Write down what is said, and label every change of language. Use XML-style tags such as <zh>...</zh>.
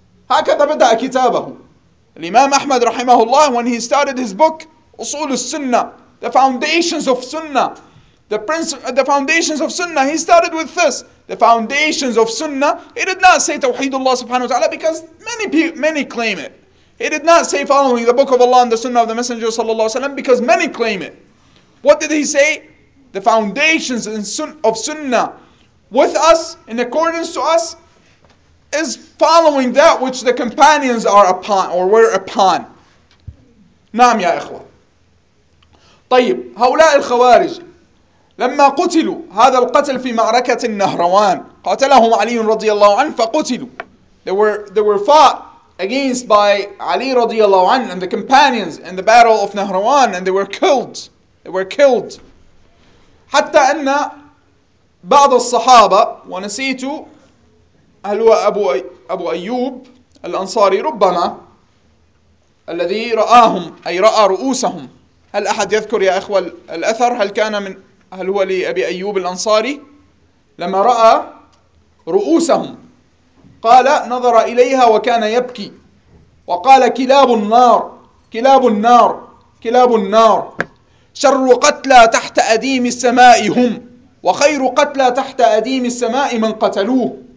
<ar>هكذا بدأ كتابه الإمام أحمد رحمه الله</ar> <en>when he started his book</en> <ar>أصول السنة.</ar> <en>The foundations of Sunnah, the foundations of Sunnah. He started with this, the foundations of Sunnah. He did not say Tawheedullah Subhanahu wa Taala because many claim it. He did not say following the Book of Allah and the Sunnah of the Messenger Sallallahu Alaihi Wasallam because many claim it. What did he say? The foundations of Sunnah with us, in accordance to us, is following that which the companions are upon or were upon.</en> <ar>نعم يا إخوة. طيب هؤلاء الخوارج لما قتلوا هذا القتل في معركة النهروان قاتلهم علي رضي الله عنه فقتلوا.</ar> <en>They were fought against by Ali radiallahu anhu and the companions in the battle of Nahrawan, and they were killed. They were killed.</en> <ar>حتى أن بعض الصحابة ونسيت هل هو أبو أيوب الأنصاري ربما الذي رآهم أي رأى رؤوسهم. هل أحد يذكر يا أخوة الأثر هل كان من هل هو لأبي أيوب الأنصاري لما رأى رؤوسهم قال نظر إليها وكان يبكي وقال كلاب النار كلاب النار كلاب النار شر قتلى تحت أديم السماء هم وخير قتلى تحت أديم السماء من قتلوه.</ar>